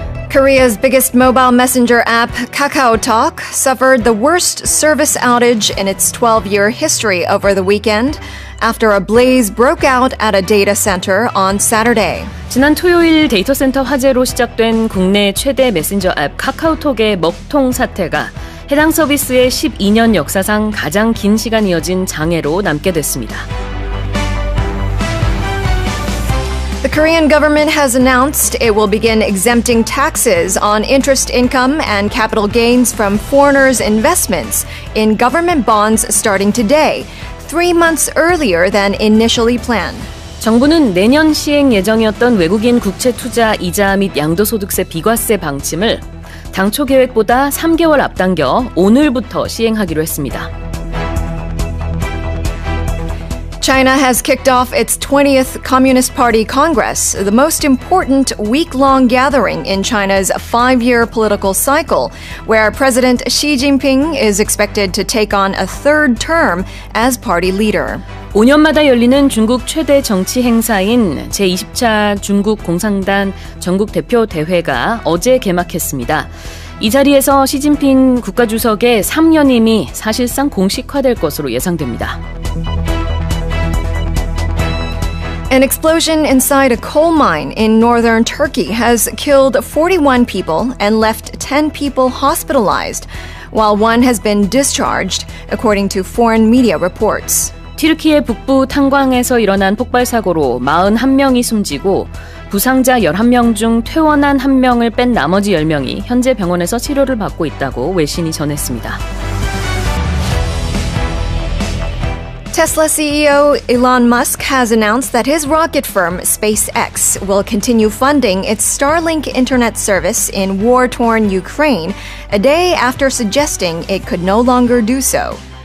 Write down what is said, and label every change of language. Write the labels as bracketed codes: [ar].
[en] 코리아's biggest mobile messenger app, KakaoTalk, suffered the worst service outage in its 12-year history over the weekend after a blaze broke out at a data center on Saturday. [ko] 지난 토요일 데이터센터 화재로 시작된 국내 최대 메신저 앱 카카오톡의 먹통 사태가 해당 서비스의 12년 역사상 가장 긴 시간 이어진 장애로 남게 됐습니다. [en] The Korean government has announced it will begin exempting taxes on interest income and capital gains from foreigners' investments in government bonds starting today, 3 months earlier than initially planned. [ko] 정부는 내년 시행 예정이었던 외국인 국채 투자 이자 및 양도소득세 비과세 방침을 당초 계획보다 3개월 앞당겨 오늘부터 시행하기로 했습니다. [en] China has kicked off its 20th Communist Party Congress, the most important week-long gathering in China's five-year political cycle, where President Xi Jinping is expected to take on a third term as party leader. [ko] 5년마다 열리는 중국 최대 정치 행사인 제20차 중국 공산당 전국 대표 대회가 어제 개막했습니다. 이 자리에서 시진핑 국가주석의 3연임이 사실상 공식화될 것으로 예상됩니다. [en] An explosion inside a coal mine in northern Turkey has killed 41 people and left 10 people hospitalized, while one has been discharged, according to foreign media reports. [ko] 터키의 북부 탄광에서 일어난 폭발 사고로 41명이 숨지고 부상자 11명 중 퇴원한 1명을 뺀 나머지 10명이 현재 병원에서 치료를 받고 있다고 외신이 전했습니다. [en] Tesla CEO Elon Musk has announced that his rocket firm SpaceX will continue funding its Starlink internet service in war-torn Ukraine a day after suggesting it could no longer do so.